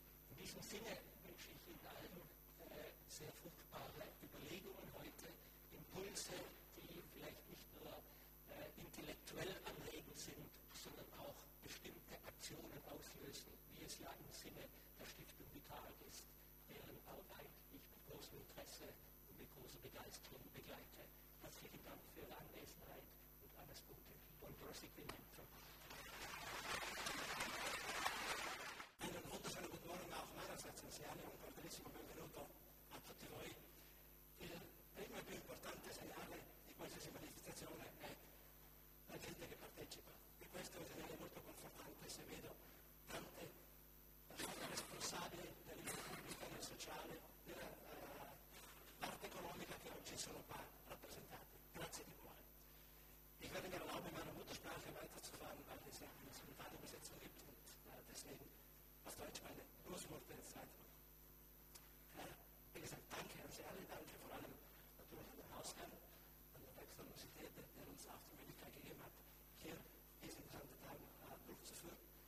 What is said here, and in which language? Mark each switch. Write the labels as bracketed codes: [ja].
[de] In diesem Sinne wünsche ich Ihnen allen sehr fruchtbare Überlegungen heute, Impulse, die vielleicht nicht nur intellektuell anregend sind, sondern auch bestimmte Aktionen auslösen, wie es ja im Sinne der Stiftung Vital ist, deren Arbeit ich mit großem Interesse und mit großer Begeisterung begleite. Herzlichen Dank für Ihre Anwesenheit und alles Gute. [it] Buon proseguimento. [de] Einen wunderschönen guten Morgen auch meinerseits an Sie alle und ein [it] bellissimo benvenuto a tutti voi. Il primo e più importante segnale di qualsiasi manifestazione è la gente che partecipa. E questo è un segnale molto confortante se vedo tante persone responsabili dell'economia, del sociale, della parte economica che oggi sono qua rappresentate. Grazie di cuore. [de] Ich werde mir erlauben, in meiner Muttersprache weiterzufahren, weil es ja eine spontane Übersetzung gibt und deswegen auf Deutsch meine Großmutter jetzt weitermachen. Wie gesagt, danke an Sie alle, danke vor allem natürlich an den Hausherrn, an der Wechsel Universität, der uns auch die Möglichkeit gegeben hat, hier diesen ganzen Tag durchzuführen.